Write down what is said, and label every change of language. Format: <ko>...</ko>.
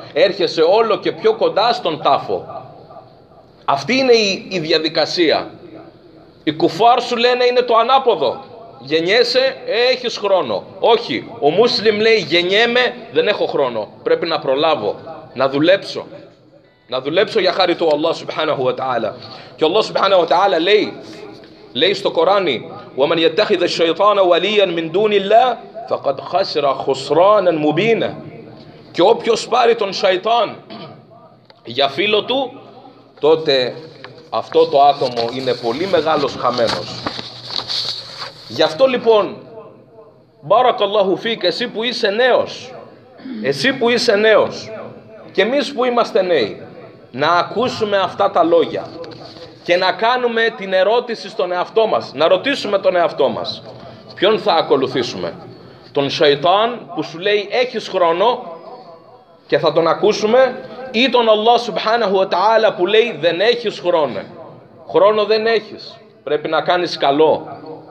<el>Έρχεσαι όλο και πιο κοντά στον τάφο. Αυτή είναι η διαδικασία. Οι κουφάρ σου λένε είναι το ανάποδο. Γεννιέσαι, έχεις χρόνο. Όχι, ο Μούσλιμ λέει γεννιέμαι, δεν έχω χρόνο. Πρέπει να προλάβω, να δουλέψω. Να δουλέψω για χάρη του Αλλάχ Σουμπχάναχου Ατάλα. Και ο Αλλάχ Σουμπχάναχου Ατάλα λέει στο Κοράνι,</el> <ar>وَمَنْ يَتَّخِذَ الشَّيْطَانَ وَلِيًّا مِنْ دُونِ اللَّهِ فَقَدْ خَسِرَ خُسْرَانًا مُبِينًا.</ar> <el>Και όποιος πάρει τον Σαϊτάν για φίλο του, τότε αυτό το άτομο είναι πολύ μεγάλος χαμένος. Γι' αυτό λοιπόν, μπαρακαλλάχου φίκ, εσύ που είσαι νέος και εμείς που είμαστε νέοι, να ακούσουμε αυτά τα λόγια και να κάνουμε την ερώτηση στον εαυτό μας, να ρωτήσουμε τον εαυτό μας, ποιον θα ακολουθήσουμε, τον Σαϊτάν που σου λέει έχεις χρόνο και θα τον ακούσουμε, ή τον Αλλάχ Σουμπχάναχου Ατάλα που λέει δεν έχεις χρόνο. Χρόνο δεν έχεις, πρέπει να κάνεις καλό,</el>